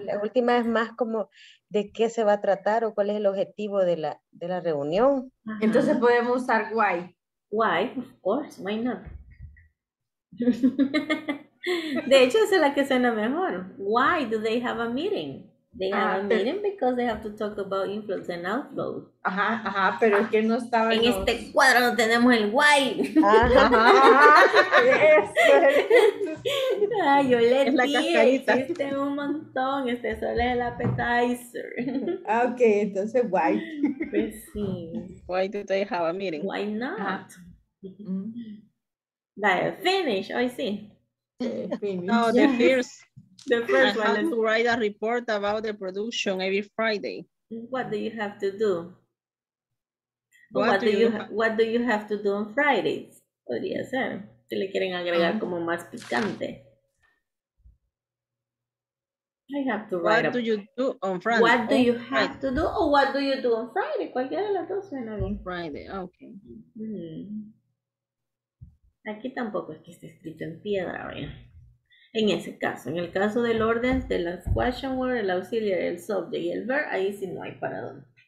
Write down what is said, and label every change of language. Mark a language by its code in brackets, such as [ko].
[es] La última es más como de qué se va a tratar o cuál es el objetivo de la reunión. Ajá. Entonces podemos usar why. [en] Why, of course, why not? [es] De hecho, esa es la que suena mejor. [en] Why do they have a meeting? They have a meeting because they have to talk about inflow and outflow. [es] Ajá, ajá, pero es que no estaba en este cuadro no tenemos el why. Ajá. Ay, yo le dije, existe un montón, este solo es el appetizer. Ok, entonces why. Pues sí. [en] Why do they have a meeting? Why not? Uh-huh. [es] Dale, [en] finish, [es] hoy sí. [en] No, the first. The first one. I have to write a report about the production every Friday. What do you have to do? What do you have to do on Fridays? [es] Podría ser. Si le quieren agregar como más picante. [en] What do you have to do or what do you do on Friday? [es] Cualquiera de las dos suena bien. [en] On Friday, okay. [es] Aquí tampoco es que esté escrito en piedra, vaya. En ese caso, en el caso del orden de las question word, el auxiliar, el subject y el verb, ahí sí no hay para dónde.